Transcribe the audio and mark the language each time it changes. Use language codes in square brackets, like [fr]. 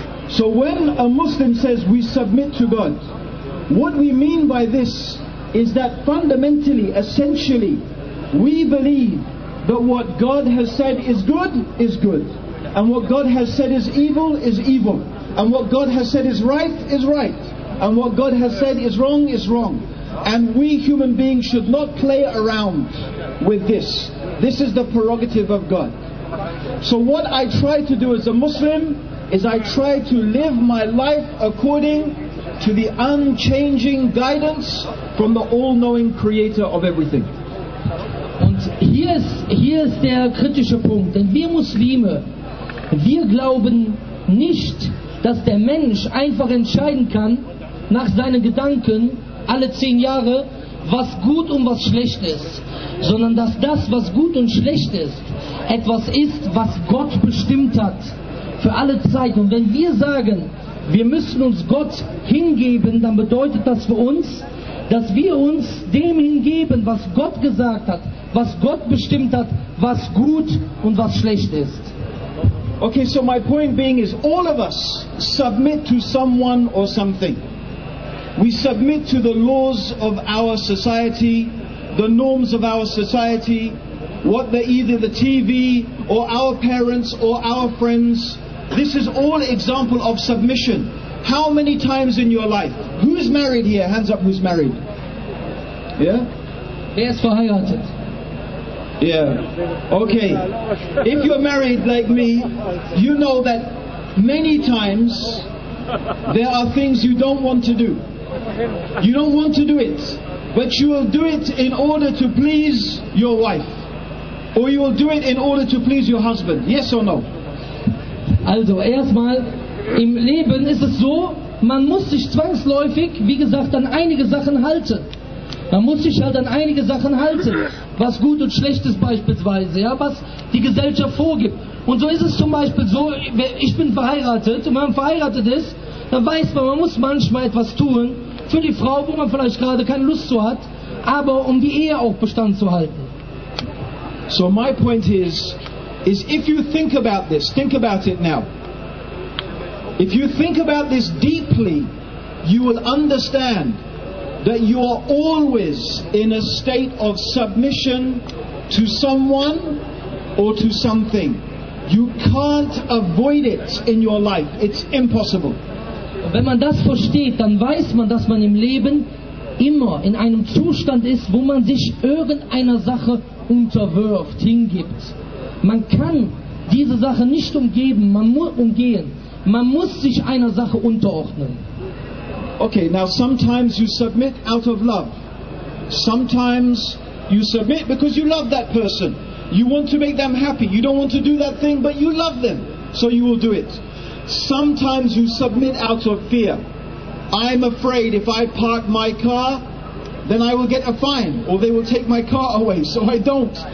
[en] So when a Muslim says we submit to God, what we mean by this is that fundamentally, essentially, we believe that what God has said is good, and what God has said is evil, and what God has said is right, and what God has said is wrong, and we human beings should not play around with this. This is the prerogative of God. So what I try to do as a Muslim is I try to live my life according to the unchanging guidance from the all-knowing creator of everything. [de] Und hier ist der kritische Punkt. Denn wir Muslime, wir glauben nicht, dass der Mensch einfach entscheiden kann, nach seinen Gedanken, alle 10 Jahre, was gut und was schlecht ist. Sondern dass das, was gut und schlecht ist, etwas ist, was Gott bestimmt hat. Für alle Zeit. Und wenn wir sagen, wir müssen uns Gott hingeben, dann bedeutet das für uns, dass wir uns dem hingeben, was Gott gesagt hat, was Gott bestimmt hat, was gut und was schlecht ist. [en] Okay, so my point being is, all of us submit to someone or something. We submit to the laws of our society, the norms of our society, what the either the TV or our parents or our friends. This is all example of submission. How many times in your life? Who's married here? Hands up, who's married? Yeah? [de] Wer ist verheiratet? [en] Yeah. Okay. If you're married like me, you know that many times there are things you don't want to do. You don't want to do it, but you will do it in order to please your wife, or you will do it in order to please your husband. Yes or no? [de] Also, erstmal, im Leben ist es so, man muss sich zwangsläufig, wie gesagt, an einige Sachen halten. Man muss sich halt an einige Sachen halten, was gut und schlecht ist beispielsweise, ja, was die Gesellschaft vorgibt. Und so ist es zum Beispiel so, ich bin verheiratet, und wenn man verheiratet ist, dann weiß man, man muss manchmal etwas tun für die Frau, wo man vielleicht gerade keine Lust zu hat, aber um die Ehe auch Bestand zu halten. [en] So my point is if you think about it now. If you think about this deeply, you will understand that you are always in a state of submission to someone or to something. You can't avoid it in your life. It's impossible. [de] Wenn man das versteht, dann weiß man, dass man im Leben immer in einem Zustand ist, wo man sich irgendeiner Sache unterwirft, hingibt. Man kann diese Sache nicht umgeben, man muss umgehen. Man muss sich einer Sache unterordnen. [en] Okay, now sometimes you submit out of love. Sometimes you submit because you love that person. You want to make them happy. You don't want to do that thing, but you love them. So you will do it. Sometimes you submit out of fear. I'm afraid if I park my car, then I will get a fine, or they will take my car away. So I don't.